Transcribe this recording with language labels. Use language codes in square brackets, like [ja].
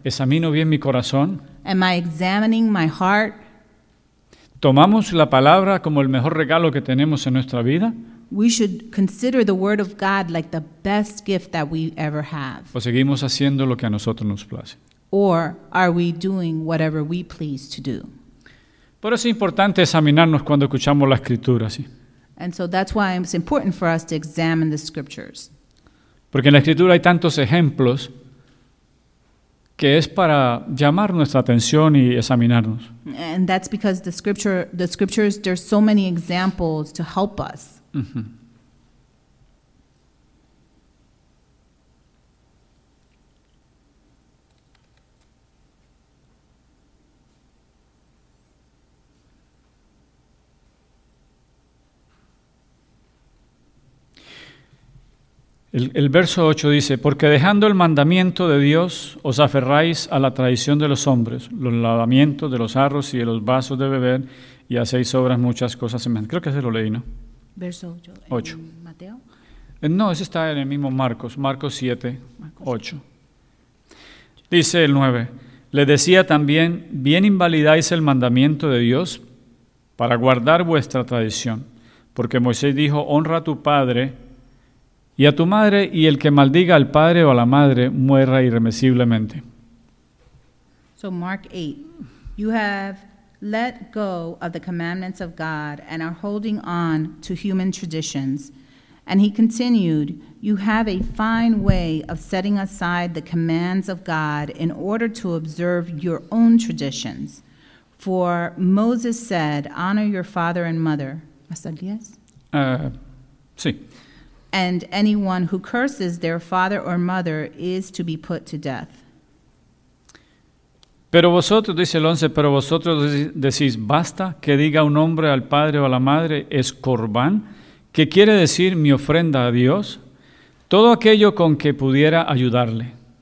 [es] ¿Examino bien mi corazón? [en] Am I examining my heart? [es] ¿Tomamos la palabra como el mejor regalo que tenemos en nuestra vida? [en] We should consider the word of God like the best gift that we ever have. [es] ¿O seguimos haciendo lo que a nosotros nos place? [en] Or are we doing whatever we please to do? [es] Por eso es importante examinarnos cuando escuchamos la escritura, ¿sí? [en] And so that's why it's important for us to examine the scriptures. [es] Porque en la escritura hay tantos ejemplos que es para llamar nuestra atención y examinarnos. [en] And that's because the scriptures, there's so many examples to help us. Mm-hmm. [es] El verso 8 dice, porque dejando el mandamiento de Dios, os aferráis a la tradición de los hombres, los lavamientos de los jarros y de los vasos de beber, y hacéis obras muchas cosas. Creo que se lo leí, ¿no? Verso 8. ¿En Mateo? No, ese está en el mismo Marcos, Marcos 7, 8. Dice el 9, le decía también, bien invalidáis el mandamiento de Dios para guardar vuestra tradición, porque Moisés dijo, honra a tu padre y a tu madre, y el que maldiga al padre o a la madre, muera irremisiblemente. [en] So Mark 8, you have let go of the commandments of God and are holding on to human traditions. And he continued, you have a fine way of setting aside the commands of God in order to observe your own traditions. For Moses said, honor your father and mother. [es] ¿Hasta 10? Sí. [en] And anyone who curses their father or mother is to be put to death. [es] Pero vosotros, dice el 11, pero vosotros decís, basta que diga un hombre al padre o a la madre, es corbán, que quiere decir mi ofrenda a Dios, todo aquello con que pudiera ayudarte.